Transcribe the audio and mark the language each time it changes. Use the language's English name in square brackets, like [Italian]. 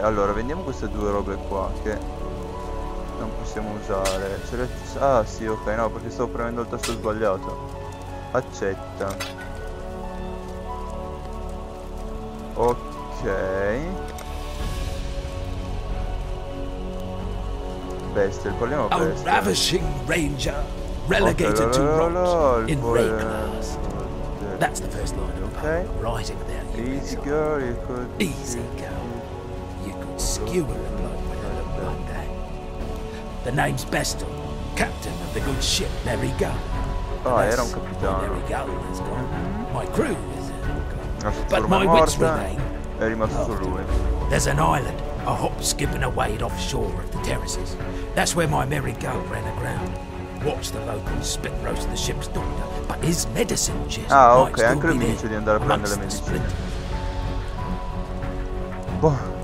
[Italian] Allora, vendiamo queste due robe qua che non possiamo usare. Ce le... Ah sì, ok, no, perché stavo premendo il tasto sbagliato. Accetta. Ok. Bestia, il problema è bestia. [English] A ravishing ranger relegated to rot in Rayclaws. That's the first line of a poem, writing about you. Easy girl, you could... Easy girl. You could skewer the blood with a look like that. The name's Bestel, captain of the good ship Merry Go. [Italian] Ah, era un capitano. [English] Merry Go has gone. My crew is gone. But my wits remain. [Italian] È rimasto su lui. [English] There's an island, a hop, skip and a wade offshore of the terraces. That's where my Merry Go ran aground. Watch the locals spit roast the ship's doctor, but his medicine chest. [Italian] Ah, ok, anche lui mi dice di andare a prendere le medicine. Boh.